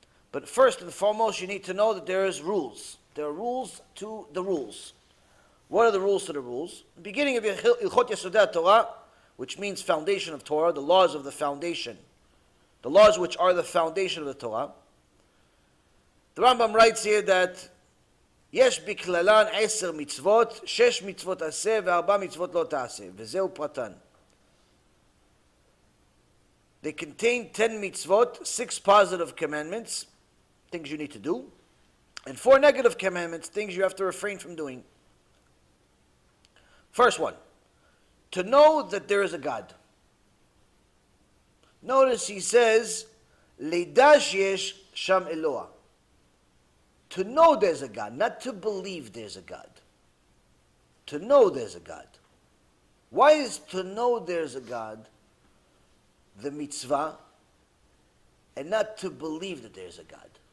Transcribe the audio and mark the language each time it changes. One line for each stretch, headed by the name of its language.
English: But first and foremost, you need to know that there is rules. There are rules to the rules. What are the rules to the rules? Beginning of Ilchot Yesodei HaTorah, which means foundation of Torah, the laws of the foundation. The laws which are the foundation of the Torah. The Rambam writes here that
Hebrew: יש בכללן 10 מצוות, 6 מצוות עשה ו4 מצוות לא תעשה, וזהו פרטן.
English: They contain 10 מצוות, 6 positive commandments, things you need to do, and 4 negative commandments, things you have to refrain from doing. First one, to know that there is a God. Notice he says,
Hebrew: לידה שיש שם אלוה.
English: To know there's a God, not to believe there's a God. To know there's a God. Why is to know there's a God the mitzvah and not to believe that there's a God?